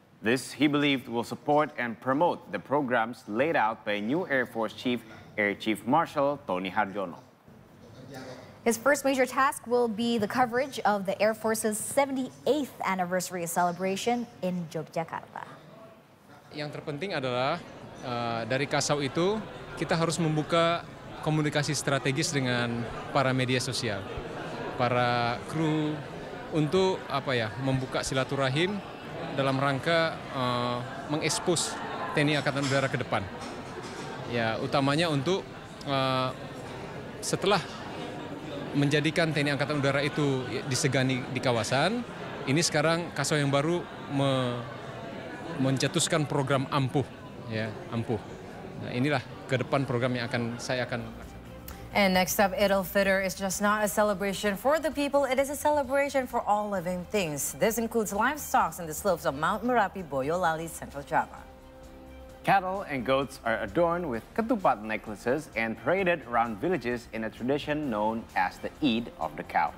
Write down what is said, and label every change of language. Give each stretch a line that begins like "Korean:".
English: This, he believed, will support and promote the programs laid out by new Air Force Chief, Air Chief Marshal Tony Harjono. His first major task will be the coverage of the Air Force's 78th anniversary celebration in Yogyakarta.
Indonesian: Yang terpenting adalah dari Kasau itu kita harus membuka komunikasi strategis dengan para media sosial, para kru untuk apa ya, membuka silaturahim dalam rangka mengekspos TNI Angkatan Udara ke depan. Ya, utamanya untuk setelah menjadikan TNI Angkatan Udara itu disegani di kawasan, ini sekarang Kasau yang baru mencetuskan program ampuh, ya, ampuh. Nah, inilah ke depan program yang akan saya akan.
English: And next up, Idul Fitr is just not a celebration for the people, it is a celebration for all living things. This includes livestock in the slopes of Mount Merapi, Boyolali, Central Java. Cattle and goats are adorned with ketupat necklaces and paraded around villages in a tradition known as the Eid of the Cow.